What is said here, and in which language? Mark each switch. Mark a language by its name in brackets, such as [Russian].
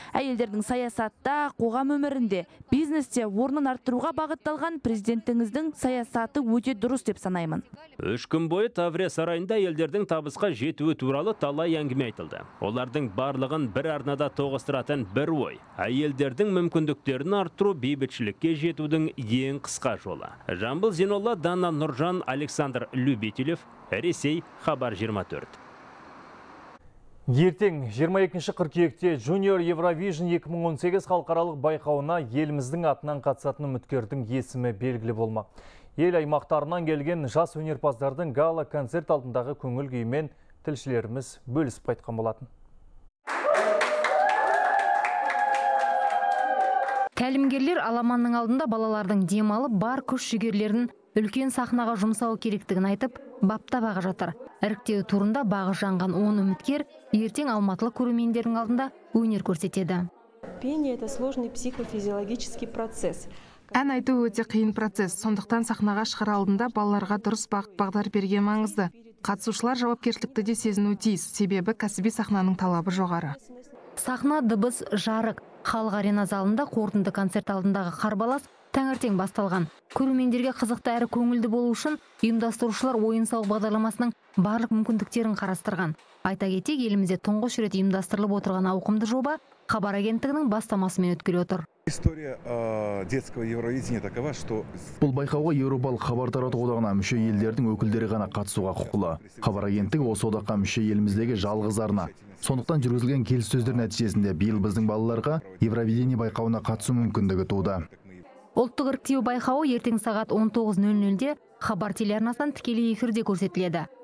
[Kazakh] Әйелдердің саясатта, қоғам өмірінде, бизнесте орнын арттыруға бағытталған президентіңіздің саясаты өте дұрыс деп санаймын. Үш күн бойы Таврия сарайында әйелдердің табысқа жетуі туралы талай әңгіме айтылды. Олардың барлығын бір арнада тоғыстыратын бір ой. Әйелдердің мүмкіндіктерін арттыру бейбітшілікке жетудің ең қысқа жолы. Жамбыл Зинолла, Дана Нұржан, Александр Любителев, Ресей, Хабар 24. Ертең 22 қыркүйекте Junior Eurovision 2018 халықаралық байқауына еліміздің атынан қатысатын үміткердің есімі белгілі болмақ. Ел аймақтарынан келген жас өнерпаздардың гала-концерт алдындағы көңіл күйімен тілшілеріміз бөлісіп қайтқан болатын. Тәлімгерлер аламанның алдында балалардың демалып, бар күш жігерлерін үлкен сахнаға жұмсау керектігін айтып, бапта бағы жатыр. Іріктеу турында бағы жанған 10 үміткер ертең алматылы көрермендердің алдында өнер көрсетеді. [Russian] Пение – это сложный психофизиологический процесс. [Kazakh] Ән айту өте қиын процесс. Сондықтан сахнаға шығар алдында балаларға дұрыс бағдар берген маңызды. Қатысушылар жауапкершілікті де сезіну тиіс, себебі кәсіби сахнаның талабы жоғары. Сахна дыбыс жарық. Халық арена залында қорытынды концерт алдындағы қарбалас таңертең басталған. Көрермендерге қызықты әрі көңілді болу үшін ұйымдастырушылар ойын-сауық бағдарламасының барлық мүмкіндіктерін қарастырған. Айта кетейік, елімізде тұңғыш рет ұйымдастырылып отырған ауқымды жоба Хабар агенттігінің бастамасымен өткелі отыр. [Russian] История детского Евровидения такова, что [Kazakh] бұл байқауға Еуропалық хабар тарату одағына мүше елдердің өкілдері ғана қатысуға құқылы. Хабар агенттігі осы одаққа мүше еліміздегі жалғыз арна. Сондықтан жүргізілген келіссөздер нәтижесінде биыл біздің балаларға Евровидение байқауына қатысу мүмкіндігі туды. Ұлттық іріктеу байқауы ертең сағат 19:00-де Хабар телеарнасынан тікелей эфирде көрсетіледі.